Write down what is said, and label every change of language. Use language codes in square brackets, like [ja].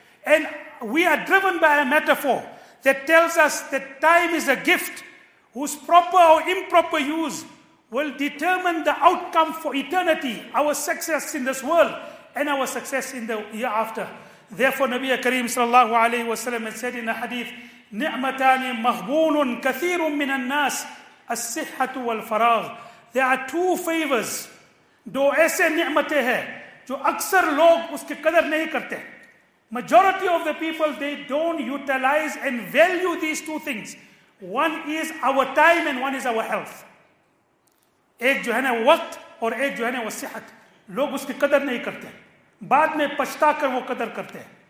[en] And we are driven by a metaphor that tells us that time is a gift whose proper or improper use will determine the outcome for eternity, our success in this world and our success in the year after. Therefore, Nabi Kareem sallallahu alayhi wa sallam has said in a hadith, [ar] نِعْمَتَانِ مَهْبُونٌ كَثِيرٌ مِّنَ النَّاسِ السِّحَّةُ وَالْفَرَاغِ. [en] There are two favors. [ur] دو ایسے نعمتیں ہیں جو اکثر لوگ اس کے قدر نہیں کرتے. [en] Majority of the people, they don't utilize and value these two things. One is our time and one is our health. [ur] ایک جو ہے نا وقت اور ایک جو ہے نا وہ صحت. لوگ اس کی قدر نہیں کرتے, بعد میں پچھتا کر وہ قدر کرتے.